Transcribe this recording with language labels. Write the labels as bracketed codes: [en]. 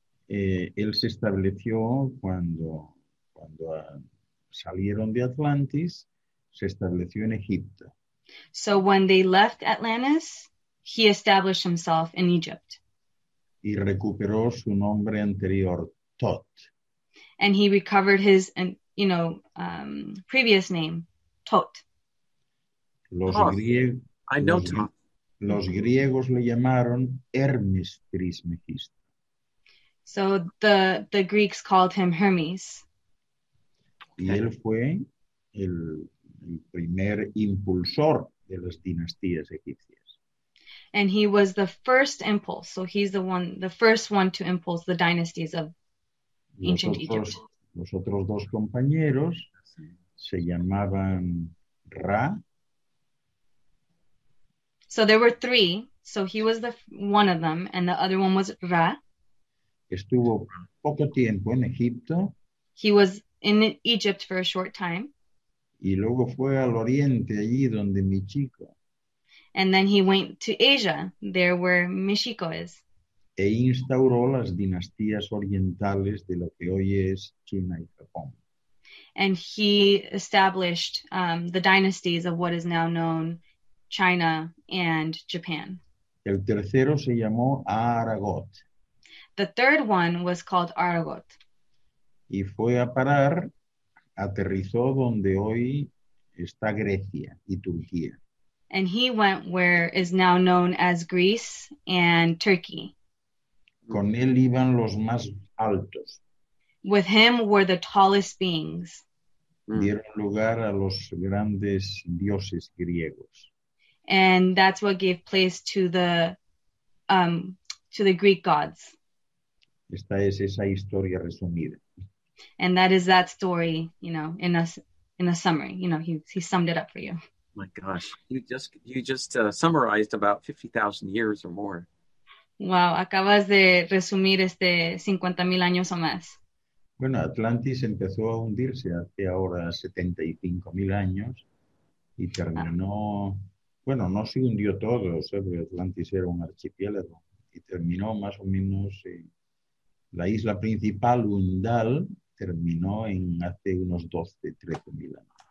[es] Él se estableció cuando salieron de Atlantis, se estableció en Egipto. [en] So when they left Atlantis, he established himself in Egypt. [es] Y recuperó su nombre anterior, Thoth. [en] And he recovered his, previous name, Thoth. [es] Los griegos le llamaron Hermes Trismegisto. [en] So the Greeks called him Hermes. [es] Y él fue el primer impulsor de las dinastías egipcias. [en] And he was the first impulse. So he's the first one to impulse the dynasties of ancient Egypt. [es] Los otros dos compañeros se llamaban Ra. [en] So there were three. So he was the one of them, and the other one was Ra. [es] Estuvo poco tiempo en Egipto. [en] He was in Egypt for a short time. [es] Y luego fue al oriente, allí donde mi chico. [en] And then he went to Asia, there where mi chico is. [es] E instauró las dinastías orientales de lo que hoy es China y Japón. [en] And he established the dynasties of what is now known China and Japan. [es] El tercero se llamó Aragot. [en] The third one was called Aragot. [es] Y fue a parar, aterrizó donde hoy está Grecia y Turquía. [en] And he went where is now known as Greece and Turkey. [es] Con él iban los más altos. [en] With him were the tallest beings. [es] Dieron lugar a los grandes dioses griegos. [en] And that's what gave place to the Greek gods. [es] Esta es esa historia resumida. [en] And that is that story, in a summary. He summed it up for you. My gosh, you just summarized about 50,000 years or more. [es] Wow, acabas de resumir 50,000 años o más. Bueno, Atlantis empezó a hundirse hace ahora 75,000 años y terminó. Bueno, no se hundió todo, porque Atlantis era un archipiélago y terminó más o menos la isla principal, Undal, terminó en hace unos 12,000-13,000 años.